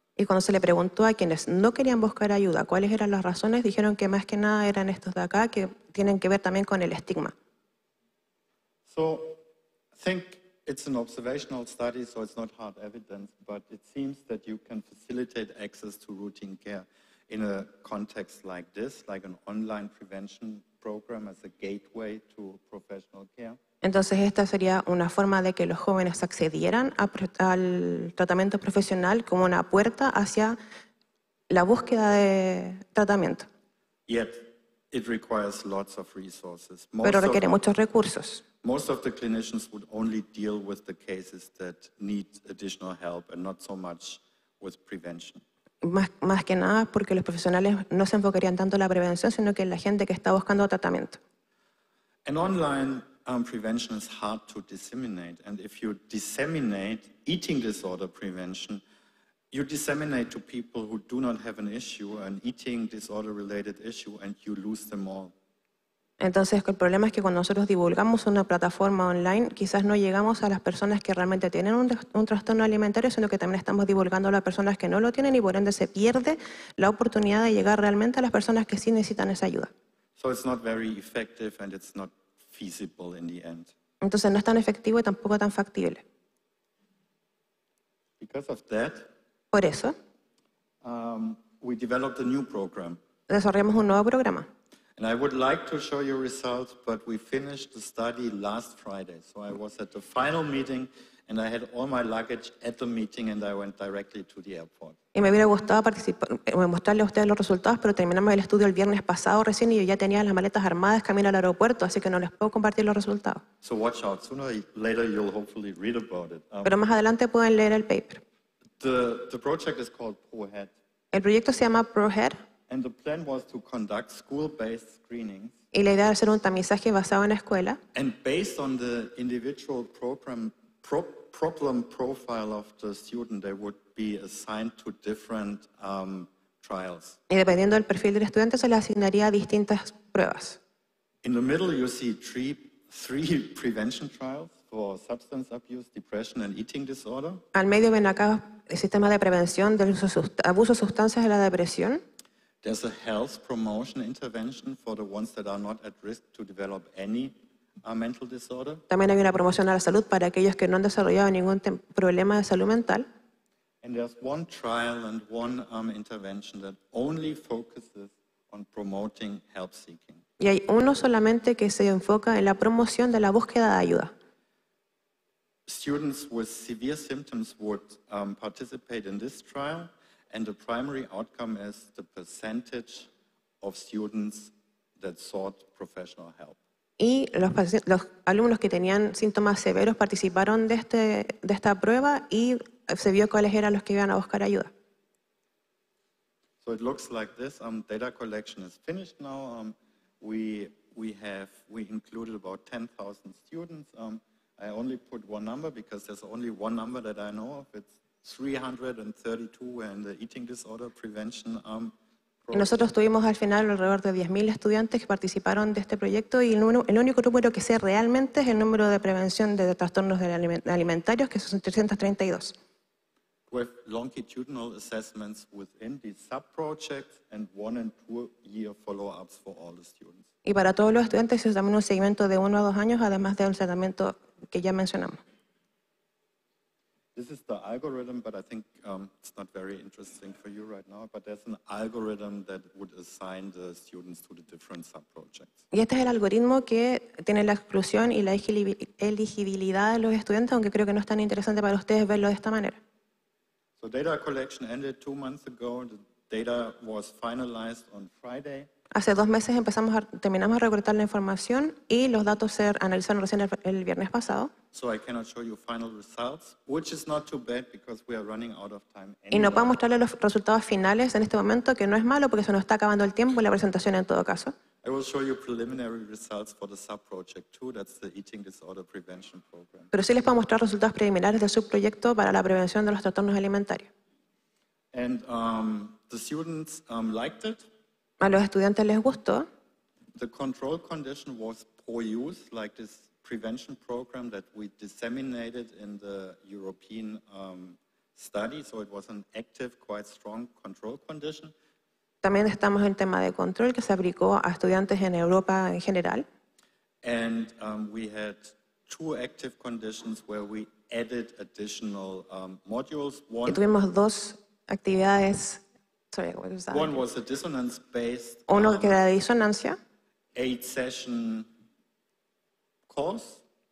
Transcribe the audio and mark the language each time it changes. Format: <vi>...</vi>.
<es>Y cuando se le preguntó a quienes no querían buscar ayuda, cuáles eran las razones, dijeron que más que nada eran estos de acá, que tienen que ver también con el estigma.</es> <en>So, I think it's an observational study, so it's not hard evidence, but it seems that you can facilitate access to routine care in a context like this, like an online prevention program as a gateway to professional care.</en> <es>Entonces, esta sería una forma de que los jóvenes accedieran al tratamiento profesional como una puerta hacia la búsqueda de tratamiento.</es> <en>Yet, it requires lots of resources.</en> <es>Pero requiere muchos recursos.</es> <en>Most of the clinicians would only deal with the cases that need additional help and not so much with prevention.</en> <es>Más que nada porque los profesionales no se enfocarían tanto en la prevención, sino que en la gente que está buscando tratamiento.</es> <en>And online prevention is hard to disseminate. And if you disseminate eating disorder prevention, you disseminate to people who do not have an issue, an eating disorder related issue, and you lose them all.</en> <es>Entonces, el problema es que cuando nosotros divulgamos una plataforma online, quizás no llegamos a las personas que realmente tienen un trastorno alimentario, sino que también estamos divulgando a las personas que no lo tienen y por ende se pierde la oportunidad de llegar realmente a las personas que sí necesitan esa ayuda.</es> <en>So it's not very effective and it's not feasible in the end.</en> <es>Entonces, no es tan efectivo y tampoco tan factible.</es> <en>Because of that,</en> <es>por eso,</es> <en>we developed a new program.</en> <es>Desarrollamos un nuevo programa.</es> <en>And I would like to show you results, but we finished the study last Friday. So I was at the final meeting and I had all my luggage at the meeting and I went directly to the airport.</en> <es>Y me hubiera gustado mostrarles a ustedes los resultados, pero terminamos el estudio el viernes pasado recién y yo ya tenía las maletas armadas camino al aeropuerto, así que no les puedo compartir los resultados.</es> <en>So watch out. Sooner or later you'll hopefully read about it.</en> <es>Pero más adelante pueden leer el paper.</es> <en>The project is called ProHead.</en> <es>El proyecto se llama ProHead.</es> <en>And the plan was to conduct school-based screenings.</en> <es>Y la idea era hacer un tamizaje basado en la escuela.</es> <en>And based on the individual problem profile of the student, they would be assigned to different trials.</en> <es>Y dependiendo del perfil del estudiante, se le asignaría distintas pruebas.</es> <en>In the middle, you see three prevention trials for substance abuse, depression, and eating disorder.</en> <es>Al medio ven acá el sistema de prevención del abuso de sustancias y la depresión.</es> <en>There's a health promotion intervention for the ones that are not at risk to develop any mental disorder.</en> <es>También hay una promoción a la salud para aquellos que no han desarrollado ningún problema de salud mental.</es> <en>And there's one trial and one intervention that only focuses on promoting help seeking.</en> <es>Y hay uno solamente que se enfoca en la promoción de la búsqueda de ayuda.</es> <en>Students with severe symptoms would participate in this trial. And the primary outcome is the percentage of students that sought professional help.</en> <es>Y los alumnos que tenían síntomas severos participaron de esta prueba y se vio cuáles eran los que iban a buscar ayuda.</es> <en>So it looks like this. Data collection is finished now. We included about 10,000 students. I only put one number because there's only one number that I know of. It's 332 were in the eating disorder prevention program.</en> <es>Nosotros tuvimos al final alrededor de 10,000 estudiantes que participaron de este proyecto y el único número que sé realmente es el número de prevención de trastornos alimentarios, que son 332.</es> <en>With longitudinal assessments within the sub-projects and 1 and 2 year follow-ups for all the students.</en> <es>Y para todos los estudiantes es también un seguimiento de 1 a 2 años, además del tratamiento que ya mencionamos.</es> <en>This is the algorithm, but I think it's not very interesting for you right now, but there's an algorithm that would assign the students to the different sub-projects.</en> <es>Y este es el algoritmo que tiene la exclusión y la elegibilidad de los estudiantes, aunque creo que no es tan interesante para ustedes verlo de esta manera.</es> <en>So data collection ended 2 months ago. The data was finalized on Friday.</en> <es>Hace 2 meses terminamos a recortar la información y los datos se analizaron recién el viernes pasado.</es> <en>So I cannot show you final results, which is not too bad because we are running out of time.</en> <es>Y no puedo mostrarle los resultados finales en este momento, que no es malo porque se nos está acabando el tiempo en la presentación en todo caso.</es> <en>I will show you preliminary results for the sub-project 2, that's the eating disorder prevention program.</en> <es>Pero sí les puedo mostrar resultados preliminares del subproyecto para la prevención de los trastornos alimentarios.</es> <en>And the students liked it.</en> <es>A los estudiantes les gustó.</es> <en>The control condition was poor use, like this prevention program that we disseminated in the European study, so it was an active, quite strong control condition.</en> <es>También estamos en tema de control que se aplicó a estudiantes en Europa en general.</es> <en>And we had 2 active conditions where we added additional modules.</en> <es>Y tuvimos 2 actividades.</es> <en>One was a dissonance based.</en> <es>Uno que era de disonancia.</es> <en>8 session course.</en>